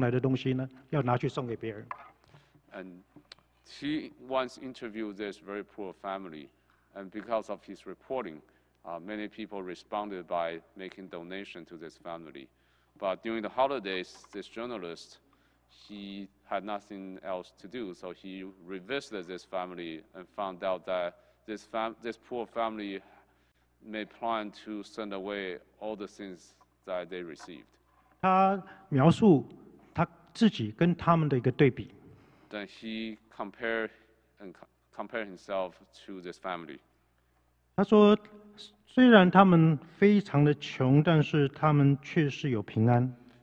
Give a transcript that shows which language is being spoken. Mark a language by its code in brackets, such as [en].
[zh] 他没有太多事做，他就再去造访这个家，这一家人，结果发现他们把人家送来的东西呢，要拿去送给别人。 [en] And he once interviewed this very poor family, and because of his reporting, many people responded by making donation to this family. But during the holidays, this journalist, he had nothing else to do, so he revisited this family and found out that this poor family may plan to send away all the things that they received. [zh] 他描述他自己跟他们的一个对比。 [en] Then he compared himself to this family. [zh] 他说，虽然他们非常的穷，但是他们却是有平安。